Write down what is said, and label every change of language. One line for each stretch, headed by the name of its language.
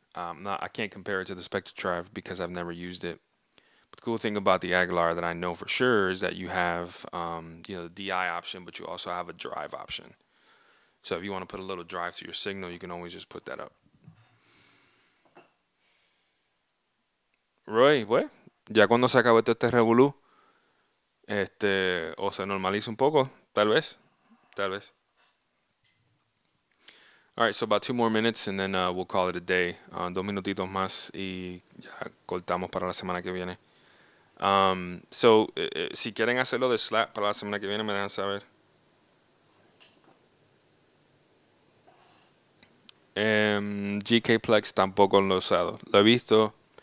English: I can't compare it to the Spectre Drive because I've never used it. The cool thing about the Aguilar that I know for sure is that you have, you know, the DI option, but you also have a drive option. So if you want to put a little drive to your signal, you can always just put that up.
Spanish: Roy, pues, ya cuando se acabe este revolú, o se normalice un poco, tal vez. Tal vez.
English: All right, so about 2 more minutes and then we'll call it a day.
Spanish: 2 minutitos más y ya cortamos para la semana que viene. Si quieren hacerlo de Slack para la semana que viene, me dejan saber. GKplex tampoco lo he usado. Lo he visto.